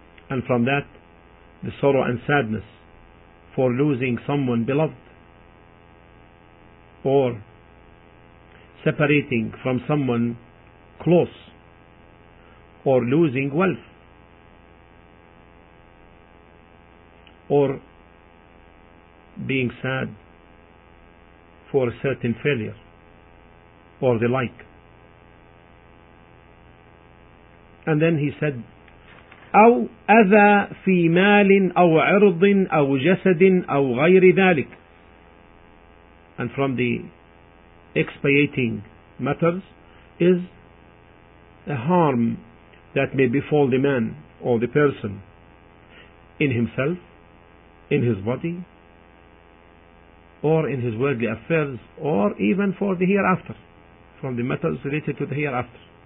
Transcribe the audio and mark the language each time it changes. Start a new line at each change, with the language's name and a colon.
English: And from that, the sorrow and sadness for losing someone beloved or separating from someone close, or losing wealth, or being sad for a certain failure, or the like. And then he said,
Arabic: أو أذى في مال أو عرض أو جسد أو غير ذلك.
English: And from the expiating matters is a harm that may befall the man or the person in himself, in his body, or in his worldly affairs, or even for the hereafter, from the matters related to the hereafter.